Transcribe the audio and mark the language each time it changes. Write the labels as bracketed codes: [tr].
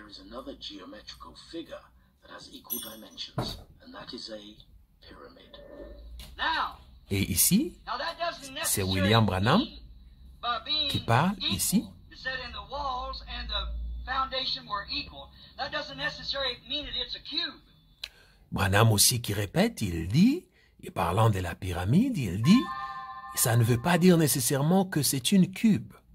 [en] Another geometrical figure that has equal dimensions, and that is a pyramid. Now, [fr] et ici, c'est William Branham qui parle ici. [en] He said in the walls and the foundation were equal. That doesn't necessarily mean that it's a cube. [fr] Branham aussi qui répète, il dit, et parlant de la pyramide, il dit, ça ne veut pas dire nécessairement que c'est une cube.